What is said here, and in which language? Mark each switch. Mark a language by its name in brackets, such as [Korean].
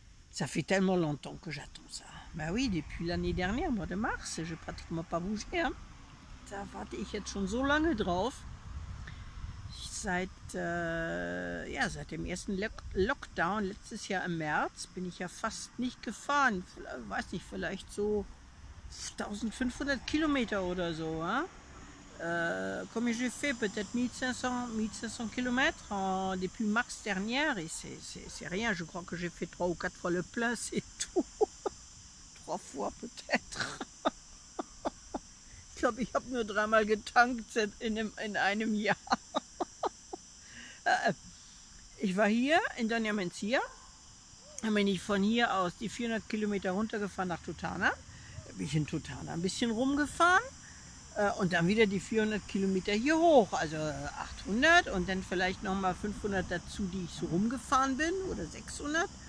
[French] Ça fait tellement longtemps que j'attends ça. Ben oui, depuis l'année dernière, mois de mars, je n'ai pratiquement pas bougé. Hein. [German] Da warte ich jetzt schon so lange drauf. Seit dem ersten Lockdown, letztes Jahr im März, bin ich ja fast nicht gefahren. Weiß nicht, vielleicht so 1500 Kilometer oder so, hein? [French] Comme j'ai fait peut-être 1500 km depuis mars dernier, et c'est rien, je crois que j'ai fait 3 ou 4 fois le plein, c'est tout. 3 fois peut-être. [German] Ich glaube, ich habe nur 3 Mal getankt in einem Jahr. Ich war hier in Doña Mencia, dann bin ich von hier aus die 400 Kilometer runtergefahren nach Totana. Bin ich in Totana ein bisschen rumgefahren. Und dann wieder die 400 Kilometer hier hoch, also 800 und dann vielleicht nochmal 500 dazu, die ich so rumgefahren bin, oder 600.